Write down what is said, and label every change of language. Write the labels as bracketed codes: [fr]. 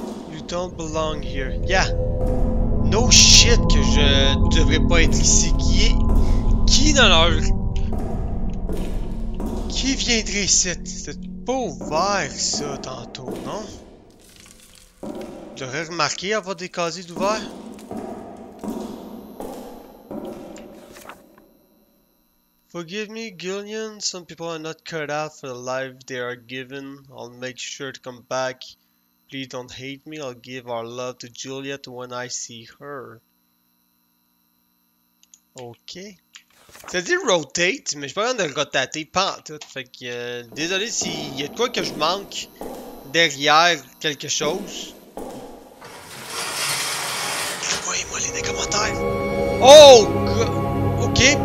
[en] You don't belong here. Yeah. No shit. [fr] shit que je devrais pas être ici. Qui est... Qui dans leur... Qui viendrait ici? C'était pas ouvert ça tantôt, non? J'aurais remarqué avoir des casiers d'ouvert. [en] Forgive me, Gillian. Some people are not cut out for the life they are given. I'll make sure to come back. Please don't hate me. I'll give our love to Juliet when I see her. Ok. [fr] Ça dit rotate, mais je n'ai pas besoin de rotater pantoute. Fait que, désolé s'il y a de quoi que je manque derrière quelque chose. Envoyez-moi les commentaires. Oh! Ok.